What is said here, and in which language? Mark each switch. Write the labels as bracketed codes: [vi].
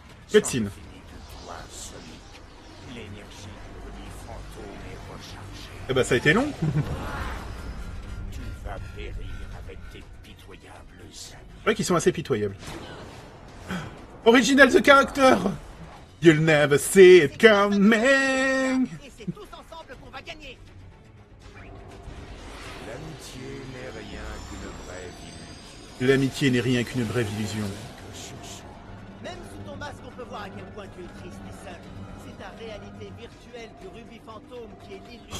[en] Cutscene. [fr] Eh ben ça a été long. Tu vas périr avec tes pitoyables amis. C'est vrai qu'ils sont assez pitoyables. [en] Original the character. You'll never see it coming. [fr] Et c'est tous ensemble qu'on va gagner. L'amitié n'est rien qu'une brève illusion. L'amitié n'est rien qu'une brève illusion. Même sous ton masque, on peut voir à quel point tu es triste et seul. C'est ta réalité virtuelle du rubis fantôme qui est l'illusion.